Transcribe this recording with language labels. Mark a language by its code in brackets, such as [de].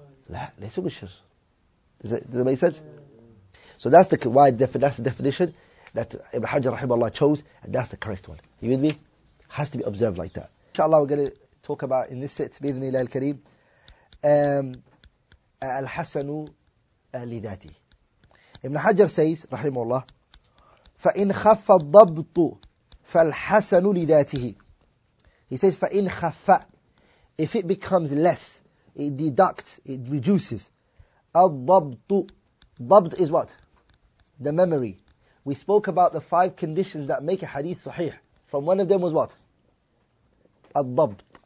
[en] Does that make sense? So that's the definition that Ibn Hajar rahimahullah chose, and that's the correct one. You with me? Has to be observed like that. Inshallah, we're going to talk about in this set, [ar] بإذن الله الكريم, الحسن لذاتي. [en] Ibn Hajar says, rahimahullah, [ar] فإن خف الضبط فالحسن لذاته. [en] He says, [ar] فإن خف, [en] if it becomes less, it deducts, it reduces. [ar] الضبط, ضبط [en] is what? The memory. We spoke about the five conditions that make a hadith sahih. From one of them was what? Al-dabt.